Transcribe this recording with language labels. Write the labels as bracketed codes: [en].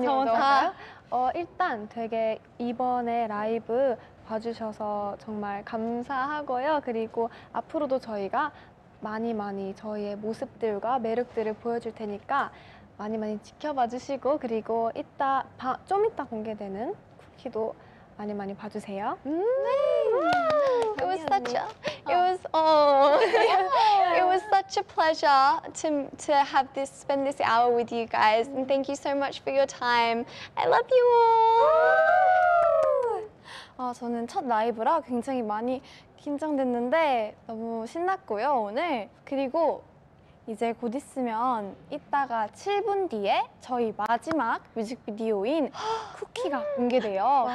[ko] 언니 먼저 일단 되게 이번에 라이브 봐주셔서 정말 감사하고요. 그리고 앞으로도 저희가 많이 많이 저희의 모습들과 매력들을 보여줄 테니까 많이 많이 지켜봐 주시고 그리고 이따 좀 이따 공개되는 쿠키도 많이 많이 봐주세요. 네. [en] It was such a, it was, oh, it was such a pleasure to have this, spend this hour with you guys. And thank you so much for your time. I love you all. [ko] 아, 저는 첫 라이브라 굉장히 많이 긴장됐는데 너무 신났고요, 오늘. 그리고 이제 곧 있으면 이따가 7분 뒤에 저희 마지막 뮤직비디오인 쿠키가 공개돼요.